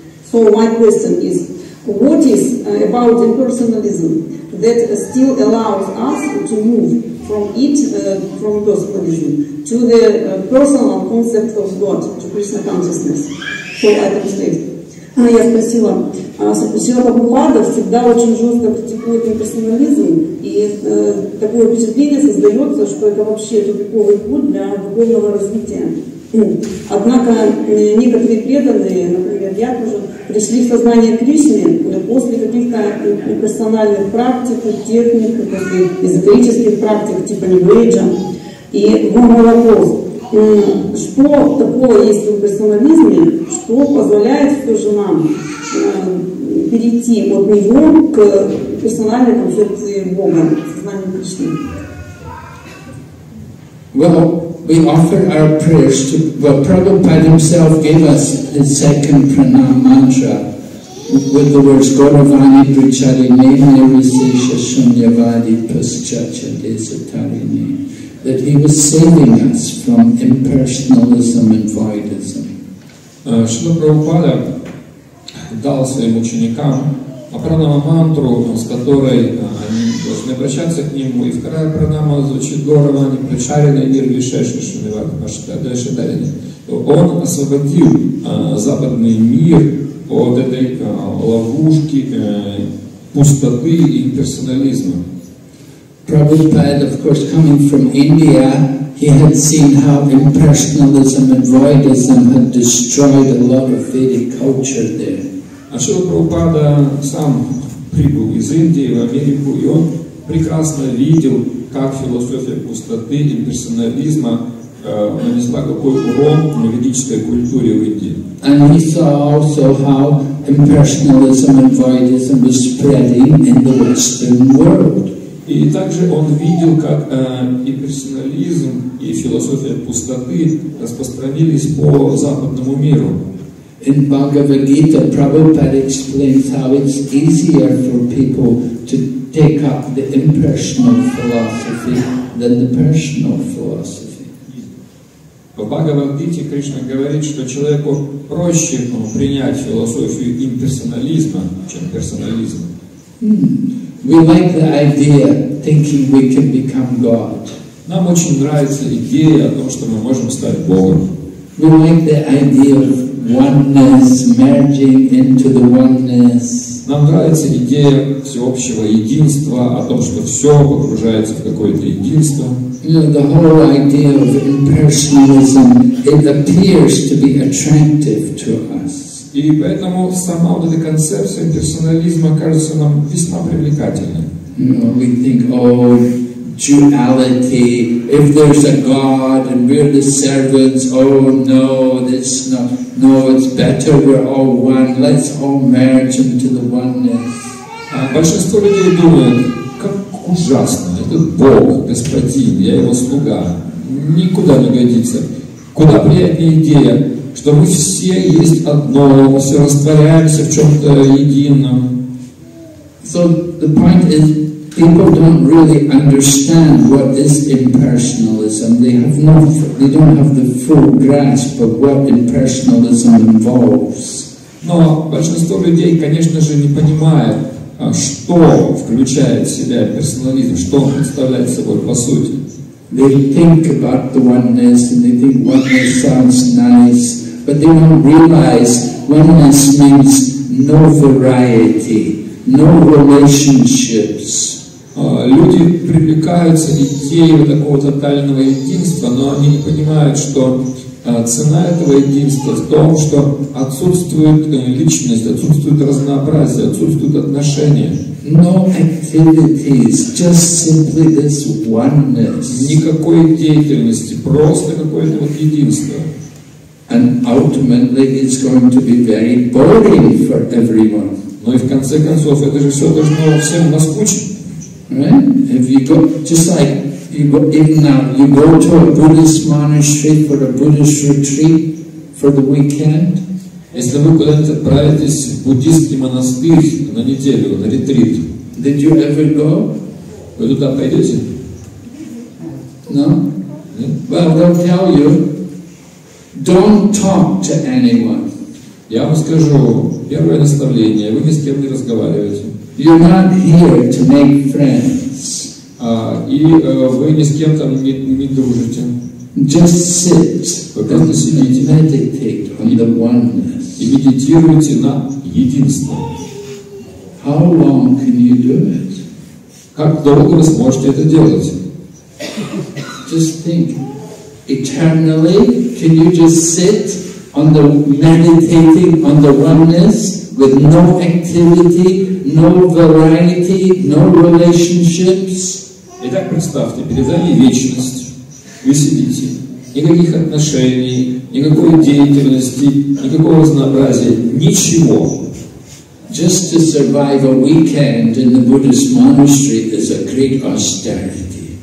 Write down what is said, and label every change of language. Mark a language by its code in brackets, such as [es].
[en] So my question is, what is about impersonalism that still allows us to move from it, from those positions, to the personal concept of God, to Krishna consciousness, for Adam State? [ru] Я спросила, Прабхупада всегда очень жестко критикует имперсонализм, и такое впечатление создается, что это вообще тупиковый путь для духовного развития. Однако некоторые преданные, например, я тоже, пришли в сознание Кришны после каких-то имперсональных практик, техник, эзотерических практик типа Нью-Эйджа. И мой вопрос. Что такого есть в имперсонализме, что позволяет все же нам перейти от него к персональной концепции Бога, сознанию Кришны? [en] Well, we offer our prayers to... Well, Prabhupada himself gave us his second pranam mantra with the words [sa] Gauravani Pracharine Nirvisesha Shunyavadi Paschacha Desatarine. [en] That he was saving us from impersonalism and voidism. [ru] Шрила Прабхупада дал своим ученикам апранама мантру, с которой они должны обращаться к нему, и вторая пранама звучит [sa] Гауравани Прачарине Нирвишеша Шунивада Пашчада Шадарине. [ru] Он освободил западный мир от этой ловушки пустоты и имперсонализма. [en] Prabhupada, of course, coming from India, he had seen how impersonalism and voidism had destroyed a lot of Vedic culture there. [ru] Srila Prabhupada сам прибыл из Индии в Америку, и он прекрасно видел, как философия пустоты и имперсонализма нанесла какой урон на ведической культуре в Индии. [en] And he saw also how impersonalism and voidism was spreading in the Western world. [ru] И также он видел, как имперсонализм и философия пустоты распространились по западному миру. [en] In Bhagavad Gita, Prabhupada explains how it's easier for people to take up the impersonal philosophy than the personal philosophy. [ru] В Bhagavad Gita Кришна говорит, что человеку проще принять философию имперсонализма, чем персонализм. [en] We like the idea thinking we can become God. [ru] Нам очень нравится идея о том, что мы можем стать Богом. [en] We like the idea of oneness, merging into the oneness. [ru] Нам нравится идея всеобщего единства, о том, что все погружается в какое-то единство. [en] You know, the whole idea of impersonalism, it appears to be attractive to us. [ru] И поэтому сама вот эта концепция персонализма кажется нам весьма привлекательной. [en] You know, we think, duality, if there's a God and we're the servants, it's better, we're all one, let's all merge into the oneness. [ru] Большинство людей думают, как ужасно, этот Бог, Господин, я его слуга, никуда не годится. Куда приятнее идея, что мы все есть одно, мы все растворяемся в чем-то едином. [en] So the point is, people don't really understand what is impersonalism. They don't have the full grasp of what impersonalism involves. [ru] Но большинство людей, конечно же, не понимает, что включает в себя персонализм, что он представляет собой по сути. [en] They think about the oneness and they think oneness sounds nice, but they don't realize oneness means no variety, no relationships. [ru] Люди привлекаются идеей вот такого тотального единства, но они не понимают, что цена этого единства в том, что отсутствует личность, отсутствует разнообразие, отсутствуют отношения. [en] No activities, just simply this oneness. [ru] Никакой деятельности, просто какое-то вот единство. [en] And ultimately it's going to be very boring for everyone. [ru] Но и в конце концов это же все должно всем наскучить. [en] Right? If you go, just like you go, even now, you go to a Buddhist monastery for a Buddhist retreat for the weekend. [ru] Если вы куда-то отправитесь в буддийский монастырь на неделю, на ретрит. [en] Did you ever go? [ru] Вы туда пойдете? [en] No? [ru] Нет? [en] Well, they'll tell you, don't talk to anyone. [ru] Я вам скажу, первое наставление, вы ни с кем не разговариваете. [en] You're not here to make friends. [ru] Вы ни с кем там не дружите. [en] Just sit. [ru] Вы просто сидите. [en] Meditate on the oneness. [ru] И медитируйте на единство. [en] How long can you do it? [ru] Как долго вы сможете это делать? [en] Just think. Eternally, can you just sit on the meditating on the oneness with no activity? No variety, no relationships. [ru] Итак, представьте, перед вами вечность. Вы сидите. Никаких отношений, никакой деятельности, никакого разнообразия, ничего. [en] Just to survive a weekend in the Buddhist monastery is a great austerity.